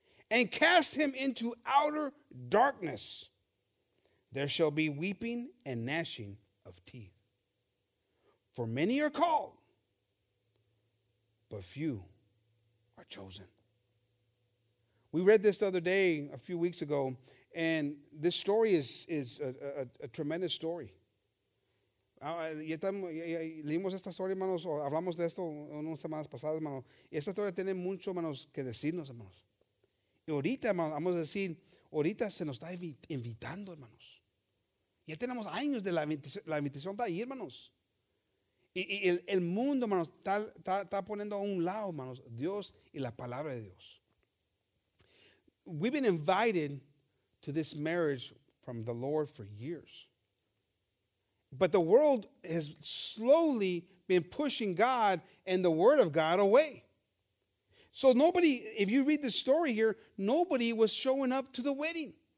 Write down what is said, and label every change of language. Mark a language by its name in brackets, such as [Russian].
[English] And cast him into outer darkness. There shall be weeping and gnashing of teeth. For many are called, but few are chosen. We read this the other day, a few weeks ago, and this story is a tremendous story. [Spanish] Ya leímos esta historia, hermanos, o hablamos de esto unas semanas pasadas, hermanos. Y esta historia tiene mucho, hermanos, que decirnos, hermanos. Y ahorita, hermanos, vamos a decir, ahorita se nos está invitando, hermanos. Ya tenemos años de la invitación está ahí, hermanos. Y el mundo, hermanos, está poniendo a un lado, hermanos, Dios y la palabra de Dios. [English] We've been invited to this marriage from the Lord for years. But the world has slowly been pushing God and the word of God away. So nobody, if you read the story here, nobody was showing up to the wedding.